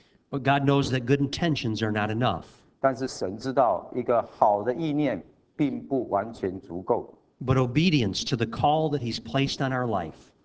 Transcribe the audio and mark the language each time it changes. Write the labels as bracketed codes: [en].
[en] But God knows that good intentions are not enough. [zh] 但是神知道一个好的意念并不完全足够。 [en] But obedience to the call that He's placed on our life.